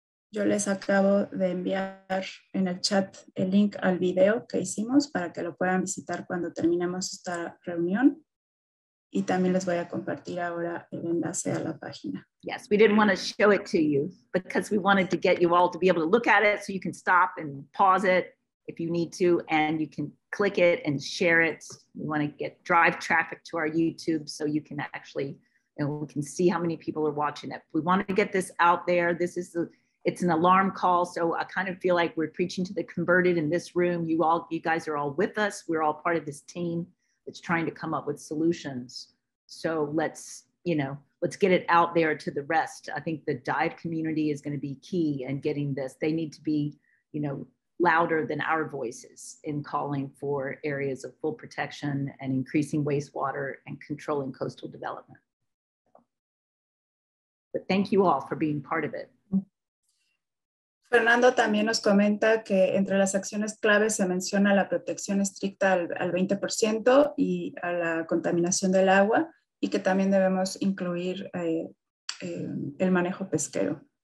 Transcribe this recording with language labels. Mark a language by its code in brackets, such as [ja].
[es] Yo les acabo de enviar en el chat el link al video que hicimos para que lo puedan visitar cuando terminemos esta reunión. Y también les voy a compartir ahora el enlace a la página. [en] Yes, we didn't want to show it to you because we wanted to get you all to be able to look at it, so you can stop and pause it if you need to, and you can click it and share it. We want to get drive traffic to our YouTube so you can actually, we can see how many people are watching it. We want to get this out there. It's an alarm call, so I kind of feel like we're preaching to the converted in this room. You guys are all with us. We're all part of this team. It's trying to come up with solutions. So let's get it out there to the rest. I think the dive community is going to be key in getting this. They need to be, louder than our voices in calling for areas of full protection and increasing wastewater and controlling coastal development. But thank you all for being part of it. [es] Fernando también nos comenta que entre las acciones claves se menciona la protección estricta al 20% y a la contaminación del agua, y que también debemos incluir el manejo pesquero.